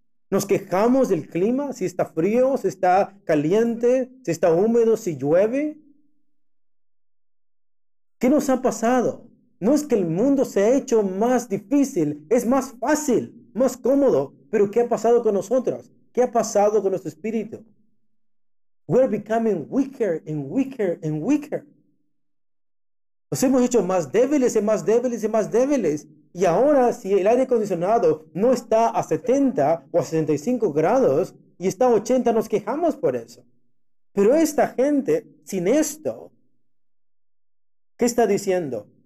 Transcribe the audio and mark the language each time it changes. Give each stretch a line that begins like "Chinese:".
Spanish: Nos quejamos del clima, si está frío, si está caliente, si está húmedo, si llueve. ¿Qué nos ha pasado? No es que el mundo se ha hecho más difícil, es más fácil, más cómodo, pero ¿qué ha pasado con nosotros? ¿Qué ha pasado con nuestro espíritu?
English: We're becoming weaker and weaker and weaker.
Spanish: Nos hemos hecho más débiles y más débiles y más débiles. Y ahora, si el aire acondicionado no está a 70 o a 65 grados y está a 80, nos quejamos por eso. Pero esta gente, sin esto, ¿qué está diciendo?